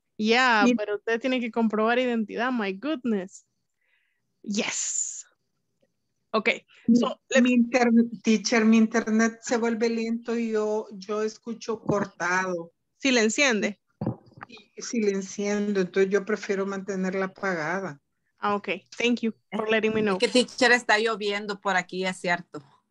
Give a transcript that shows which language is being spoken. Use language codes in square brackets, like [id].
[es] yeah, pero usted tiene que comprobar identidad, [en] my goodness. Yes. Okay, so [es] mi internet se vuelve lento y yo escucho cortado. si la enciende. Si la enciendo, entonces yo prefiero mantenerla apagada. [en] Ah, ok, thank you for letting me know. [es] Es que teacher, está lloviendo por aquí, es cierto.